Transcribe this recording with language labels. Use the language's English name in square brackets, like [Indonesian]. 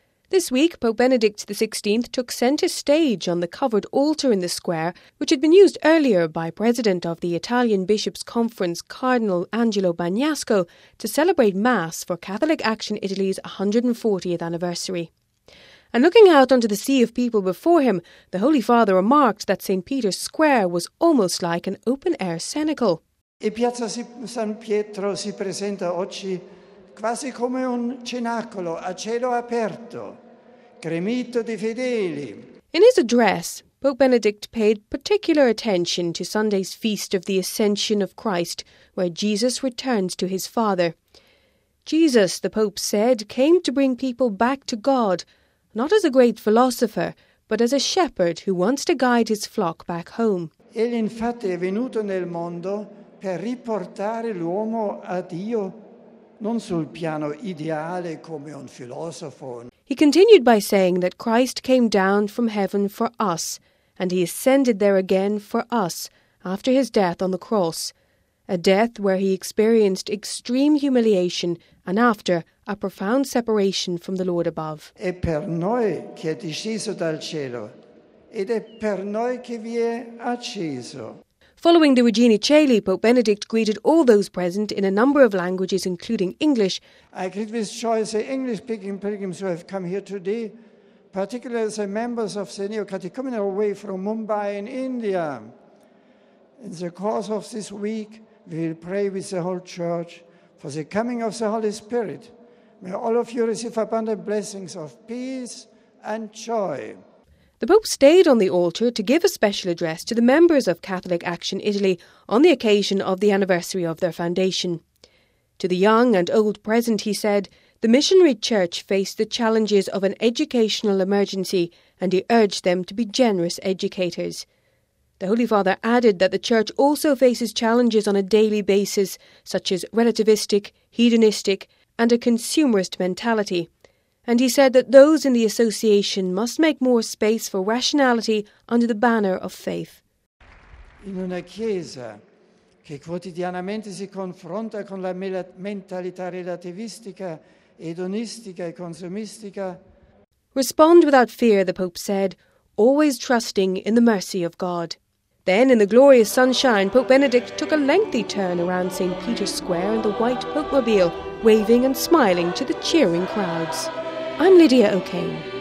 [English] This week, Pope Benedict XVI took centre stage on the covered altar in the square, which had been used earlier by President of the Italian Bishops' Conference, Cardinal Angelo Bagnasco, to celebrate Mass for Catholic Action Italy's 140th anniversary. And looking out onto the sea of people before him, the Holy Father remarked that St. Peter's Square was almost like an open-air cenacle. [Italian] E Piazza San Pietro si presenta oggi quasi come un cenacolo a cielo aperto, gremito di fedeli. [English] In his address, Pope Benedict paid particular attention to Sunday's feast of the Ascension of Christ, where Jesus returns to his Father. Jesus, the Pope said, came to bring people back to God, not as a great philosopher, but as a shepherd who wants to guide his flock back home. [Italian] Egli infatti è venuto nel mondo per riportare l'uomo a Dio, non sul piano ideale come un filosofo. [English] He continued by saying that Christ came down from heaven for us, and he ascended there again for us, after his death on the cross, a death where he experienced extreme humiliation and after a profound separation from the Lord above. [Italian] È per noi che è disceso dal cielo, ed è per noi che vi è acceso. [English] Following the Regina Caeli, Pope Benedict greeted all those present in a number of languages, including English. I greet with joy the English-speaking pilgrims who have come here today, particularly the members of the neo-catechumenal way from Mumbai in India. In the course of this week, we will pray with the whole church for the coming of the Holy Spirit. May all of you receive abundant blessings of peace and joy. The Pope stayed on the altar to give a special address to the members of Catholic Action Italy on the occasion of the anniversary of their foundation. To the young and old present, he said, the missionary church faced the challenges of an educational emergency, and he urged them to be generous educators. The Holy Father added that the church also faces challenges on a daily basis, such as relativistic, hedonistic, and a consumerist mentality. And he said that those in the association must make more space for rationality under the banner of faith. [Italian] In una chiesa che quotidianamente si confronta con la mentalità relativistica, edonistica e consumistica. [English] Respond without fear, the Pope said, always trusting in the mercy of God. Then, in the glorious sunshine, Pope Benedict took a lengthy turn around St. Peter's Square in the white Pope mobile, waving and smiling to the cheering crowds. I'm Lydia O'Kane.